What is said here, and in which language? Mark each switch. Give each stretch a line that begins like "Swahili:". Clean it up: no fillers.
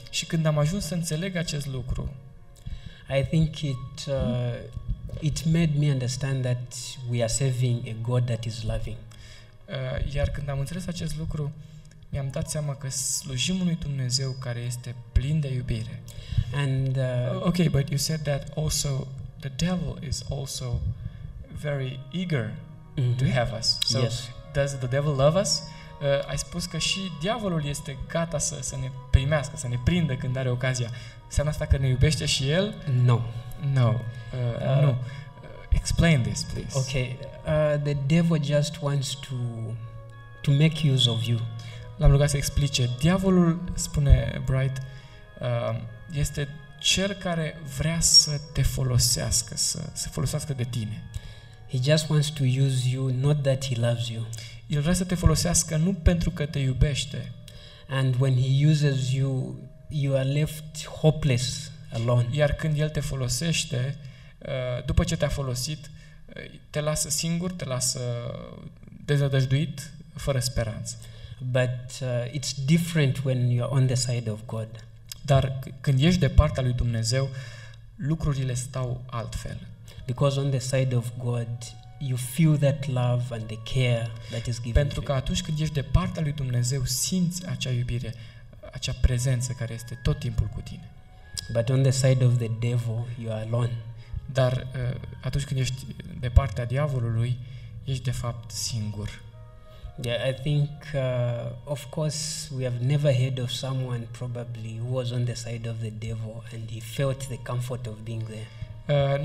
Romanian: și când am ajuns să înțeleg acest lucru,
English: I think it made me understand that we are serving a God that is loving.
Romanian: Iar când am înțeles acest lucru, mi-am dat seama că slujim unui Dumnezeu care este plin de iubire.
English: And okay, but you said that also the devil is also very eager to have us. So yes. Does the devil love us?
Romanian: Ai spus că și diavolul este gata să ne primească, să ne prindă când are ocazia. Înseamnă asta că ne iubește și el?
English: No. No. No. Explain this, please. Okay. The devil just wants to make use of you.
Romanian: L-am rugat să explice. Diavolul, spune Bright, este cel care vrea să te folosească, să folosească de tine.
English: He just wants to use you, not that he loves you.
Romanian: El vrea să te folosească nu pentru că te iubește.
English: And when he uses you, you are left hopeless alone.
Romanian: Iar când el te folosește, după ce te-a folosit, te lasă singur, te lasă dezădăjduit, fără speranță.
English: But it's different when you're on the side of God.
Romanian: Dar când ești de partea lui Dumnezeu, lucrurile stau altfel.
English: Because on the side of God, you feel that love and the care that is given.
Romanian: Pentru că atunci când ești de partea lui Dumnezeu, simți acea iubire, acea prezență care este tot timpul cu tine.
English: But on the side of the devil, you are alone.
Romanian: Dar atunci când ești de partea diavolului, ești de fapt singur.
English: Yeah, I think of course we have never heard of someone probably who was on the side of the devil and he felt the comfort of being there.